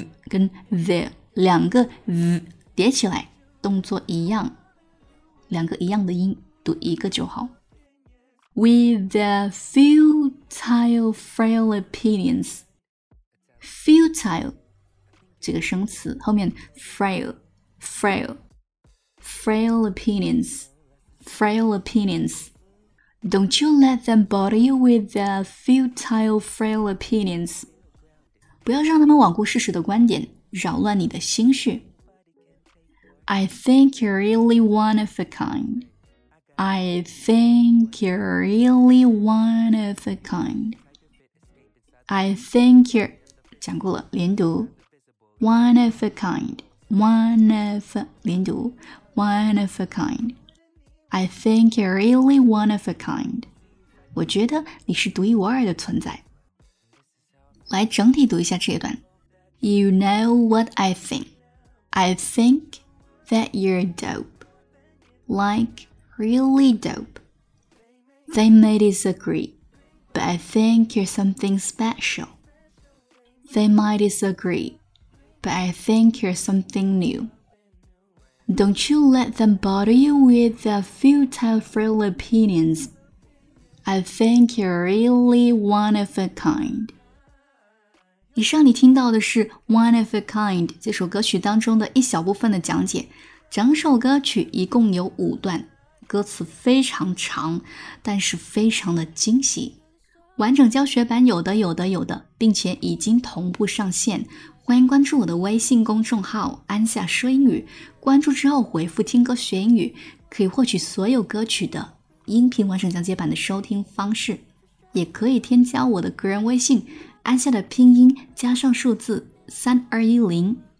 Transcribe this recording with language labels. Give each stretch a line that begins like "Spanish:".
Chinese: 跟 the 两个 z 叠起来，动作一样，两个一样的音，读一个就好。
English: With their futile frail opinions.
Chinese: Futile 这个生词后面 frail
English: frail opinions, frail opinions. Don't you let them bother you with their futile frail opinions.
Chinese: 不要让他们罔顾事实的观点，扰乱你的心绪。
English: I think you're really one of a kind. I think you're really one of a kind. I think you're...
Chinese: 讲过了，连读。
English: One of a kind. One of...
Chinese: 连读。
English: One of a kind. I think you're really one of a kind.
Chinese: 我觉得你是独一无二的存在。来整体读一下这一段。
English: You know what I think. I think... That you're dope. Like, really dope. They may disagree, but I think you're something special. They might disagree, but I think you're something new. Don't you let them bother you with their futile frail opinions. I think you're really one of a kind.
Chinese: 以上你听到的是 One of a Kind 这首歌曲当中的一小部分的讲解，整首歌曲一共有五段，歌词非常长，但是非常的惊喜。完整教学版有的有的有的，并且已经同步上线，欢迎关注我的微信公众号安夏说英语，关注之后回复听歌学英语，可以获取所有歌曲的音频完整讲解版的收听方式，也可以添加我的个人微信安夏的拼音加上数字3210。